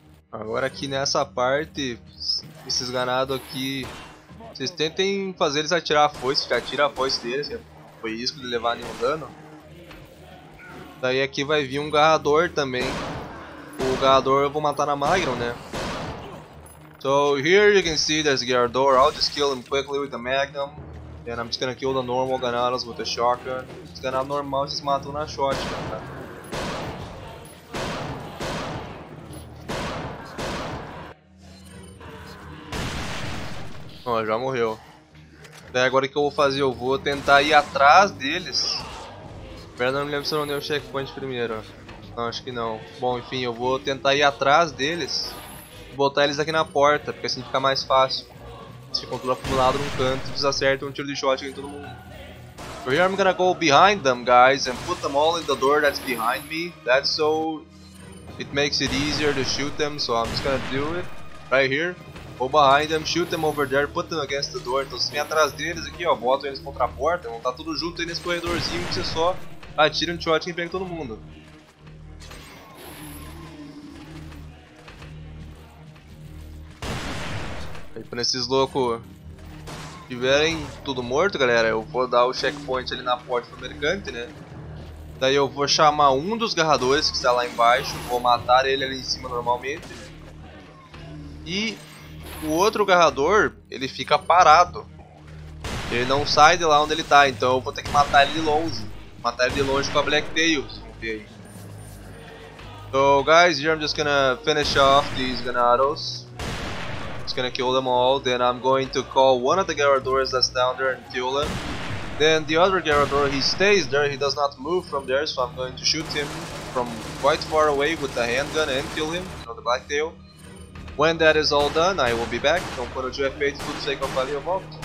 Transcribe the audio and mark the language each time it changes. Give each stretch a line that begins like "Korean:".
Portuguese: Agora aqui nessa parte, esses ganados aqui, vocês tentem fazer eles atirar a foice, já atira a foice deles, foi risco de levar nenhum dano. Daí aqui vai vir um garrador também. O garrador eu vou matar na Magron, né?
English: So here you can see there's Garador, I'll just kill him quickly with the Magnum. And I'm just gonna kill the normal ganados with the shotgun.
Portuguese: Os ganados normal vocês matam na shotgun, cara. Ó, já morreu. Daí agora o que eu vou fazer? Eu vou tentar ir atrás deles. Pera, não me lembro se eu não dei o checkpoint primeiro. Não, acho que não. Bom, enfim, eu vou tentar ir atrás deles. Botar eles aqui na porta, porque assim fica mais fácil. Se ficam tudo acumulado num canto, eles acertam um tiro de shotgun em todo mundo.
English: So here I'm gonna go behind them, guys, and put them all in the door that's behind me. That's so it makes it easier to shoot them, so I'm just gonna do it right here. Go behind them, shoot them over there, put them against the door.
Portuguese: Então vocês vêm atrás deles aqui, ó, botam eles contra a porta, vão estar tudo junto aí nesse corredorzinho que você só atira um shotgun e pega todo mundo. Aí pra esses loucos tiverem tudo morto, galera, eu vou dar o checkpoint ali na porta do mercante, né? Daí eu vou chamar um dos garradores que está lá embaixo, vou matar ele ali em cima normalmente. Né? E o outro garrador, ele fica parado. Ele não sai de lá onde ele tá, então eu vou ter que matar ele de longe. Matar ele de longe com a Black Tails.
English: Okay. So guys, here I'm just gonna finish off these ganados. Just gonna kill them all, then I'm going to call one of the Garadors that's down there and kill him. Then the other Garador, he stays there, he does not move from there, so I'm going to shoot him from quite far away with the handgun and kill him, you know, the Black Tail. When that is all done, I will be back.
Portuguese: Então quando eu tiver feito tudo isso aí que eu falei, eu volto.